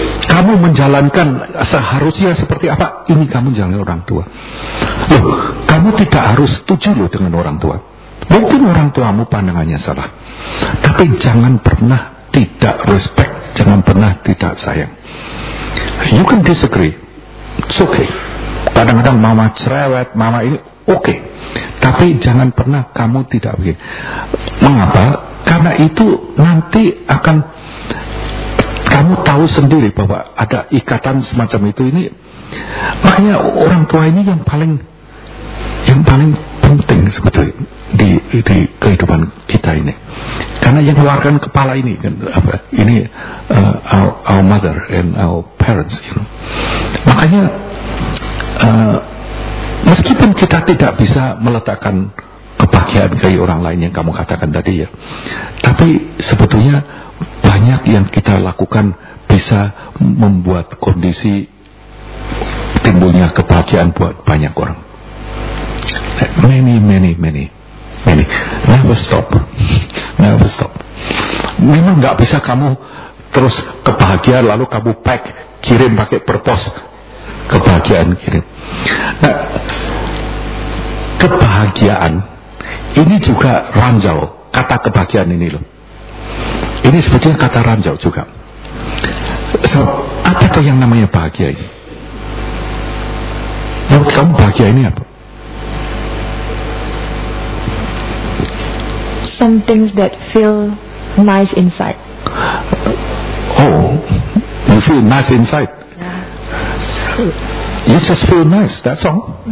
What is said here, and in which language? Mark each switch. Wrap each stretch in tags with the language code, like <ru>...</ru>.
<id>Kamu menjalankan seharusnya seperti apa? Ini kamu jalankan orang tua. Loh, kamu tidak harus setuju loh dengan orang tua. Mungkin orang tuamu pandangannya salah, tapi jangan pernah tidak respect, jangan pernah tidak sayang.</id> <en>You can disagree, it's okay.</en> <id>Kadang-kadang mama cerewet, mama ini okay. Tapi jangan pernah kamu tidak begini. Mengapa? Karena itu nanti akan kamu tahu sendiri bahwa ada ikatan semacam itu ini. Makanya orang tua ini yang paling penting sebetulnya di kehidupan kita ini. Karena yang keluarkan kepala ini kan apa? Ini</id> <en>our mother and our parents, you know.</en> <id>Makanya meskipun kita tidak bisa meletakkan kebahagiaan dari orang lain yang kamu katakan tadi ya, tapi sebetulnya banyak yang kita lakukan bisa membuat kondisi timbulnya kebahagiaan buat banyak orang.</id> <en>Many. Never stop.</en> <id>Memang nggak bisa kamu terus kebahagiaan lalu kamu pack kirim pakai per pos kebahagiaan kirim. Nah, kebahagiaan ini juga ranjau, kata kebahagiaan ini loh. Ini sebetulnya kata ranjau juga. So, apa itu yang namanya bahagia ini? Yang kamu bahagia ini apa?</id> <en>Some things that feel nice inside. Oh, you feel nice inside? Yeah. You just feel nice, that's all?</en>